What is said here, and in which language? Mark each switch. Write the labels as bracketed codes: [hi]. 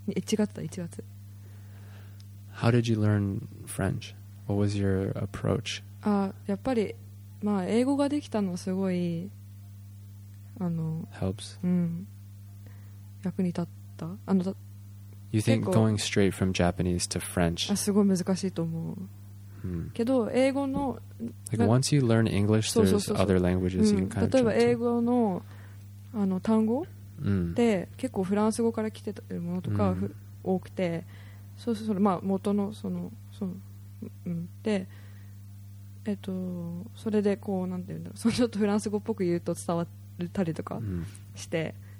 [ja] その時もフランス語で、でもやっぱ大学の授業ついていくのはすごい大変だった。スペイン語は？スペイン語もちょっとやってた。この間メキシコに行って勉強してきた。3月、1月だった1月。 [en] How did you learn French? What was your approach? [ja] やっぱり英語ができたのはすごい役に立った。 [en] You think going straight from Japanese to French? [ja] すごい難しいと思う。けど英語の [en] like once you learn English, there's other languages you can kind of jump to. [ja] 例えば英語の単語で結構フランス語から来てるものとか多くて、そうそう、元のそのでそれでこうなんていうんだろう、そのちょっとフランス語っぽく言うと伝わったりとかして。